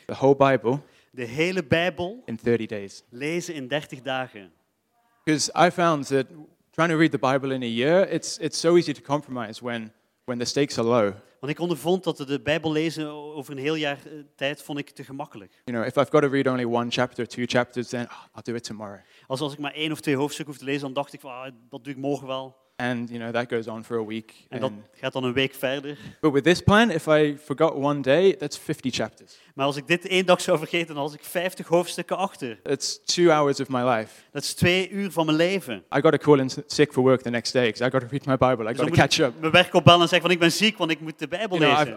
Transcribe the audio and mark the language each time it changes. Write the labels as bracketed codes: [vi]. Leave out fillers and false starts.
[en] The whole Bible. [nl] De hele Bijbel. [en] In 30 days. [nl] Lezen in 30 dagen. [en] Because I found that trying to read the Bible in a year, it's so easy to compromise when the stakes are low. [nl] Want ik ondervond dat de Bijbel lezen over een heel jaar tijd vond ik te gemakkelijk. [en] You know, if I've got to read only 1 chapter, 2 chapters, then I'll do it tomorrow. [nl] Als ik maar 1 of 2 hoofdstukken hoef te lezen, dan dacht ik van, dat doe ik morgen wel. [en] And you know that goes on for a week. [nl] En dat gaat dan een week verder. [en] But with this plan, if I forgot one day, that's 50 chapters. [nl] Maar als ik dit één dag zou vergeten, dan was ik 50 hoofdstukken achter. [en] It's 2 hours of my life. [nl] Dat is 2 uur van mijn leven. [en] I got to call in sick for work the next day because I got to read my Bible. I got to catch up. [nl] Mijn werk opbellen en zeggen van ik ben ziek, want ik moet de Bijbel lezen.